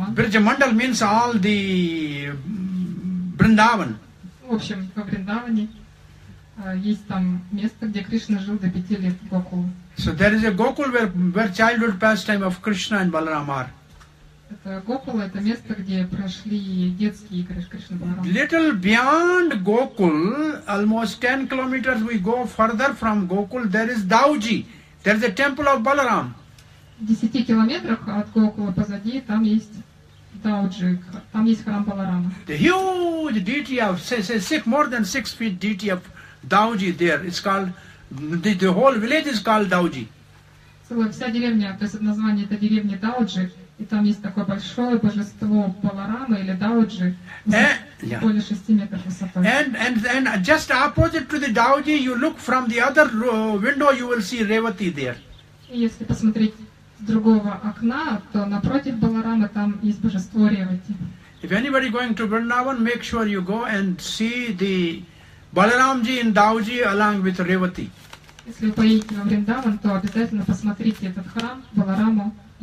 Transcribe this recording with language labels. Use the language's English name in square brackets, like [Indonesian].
[English] Бриджа Мандала means all the Бриндаван. [Russian] В общем, во Бриндаване есть там место, где Кришна жил до 5 лет в Гокуле. [English] So there is a Gokul where childhood pastime of Krishna and Balaram are. [Russian] Это Гокул, это место, где прошли детские игры Кришны и Баларамы. [English] Little beyond Gokul, almost 10 kilometers we go further from Gokul, there is Dauji. There is a temple of Balaram. [Russian] В 10 километрах от Гокула позади там есть Дауджи, там есть храм Баларама. [English] The huge deity of, say, more than 6 feet deity of Dauji there. It's called, the whole village is called Dauji. [Russian] Целая вся деревня, то есть название это деревня Дауджи. И там есть такое большое божество Баларама или Дауджи, более 6 метров высотой. [English] And just opposite to the Dauji, you look from the other window, you will see Revati there. [Russian] И если посмотреть с другого окна, то напротив Баларамы там есть божество Ревати. [English] If anybody going to Vrindavan, make sure you go and see the Balaramji in Dauji along with Revati. [Russian] Если вы поедете во Вриндаван, то обязательно посмотрите этот храм Балараму.